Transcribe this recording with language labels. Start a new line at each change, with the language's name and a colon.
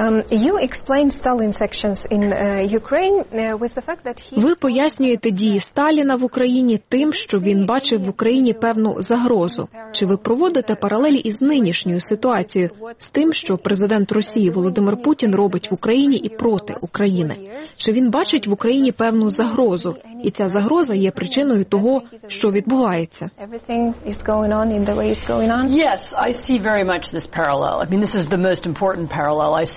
English: You explain Stalin's actions in Ukraine with the fact that he...
Ukrainian: Ви пояснюєте дії Сталіна в Україні тим, що він бачив в Україні певну загрозу. Чи ви проводите паралелі із нинішньою ситуацією, з тим, що президент Росії Володимир Путін робить в Україні і проти України? Чи він бачить в Україні певну загрозу, і ця загроза є причиною того, що відбувається?
English: Everything is going on in the way it's going on? Yes, I see very much this parallel. I mean, this is the most important parallel.